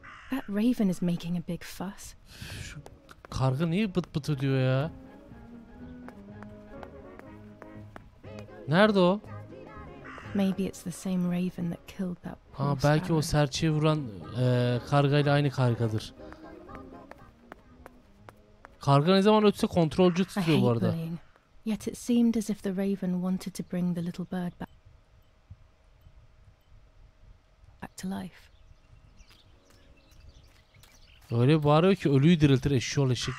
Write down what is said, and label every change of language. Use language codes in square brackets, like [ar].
[en] That raven is making a big fuss. [tr] Şu karga niye bıt bıt ediyor ya? Nerede o? [en] Maybe it's the same raven that killed that. [tr] Ha, belki o serçe vuran kargayla aynı kargadır. Karga ne zaman ötse kontrolcü tutuyor bu arada. [en] Yet it seemed as if the raven wanted to bring the little bird back to life. [tr] Öyle bağırıyor ki ölüyü diriltir eşşi ol eşek.